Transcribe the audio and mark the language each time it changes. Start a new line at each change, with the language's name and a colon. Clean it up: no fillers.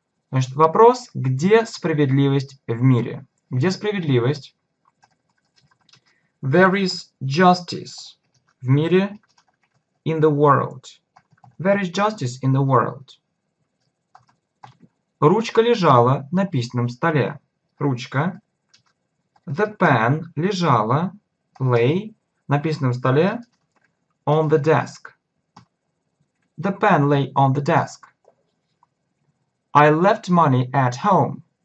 Russian: Значит, вопрос, где справедливость в мире? Где справедливость?
English: There is justice
Russian: в мире,
English: in the world. There is justice in the world.
Russian: Ручка лежала на письменном столе. Ручка.
English: The pen
Russian: лежала,
English: lay,
Russian: на письменном столе,
English: on the desk. The pen lay on the desk. I left money at home.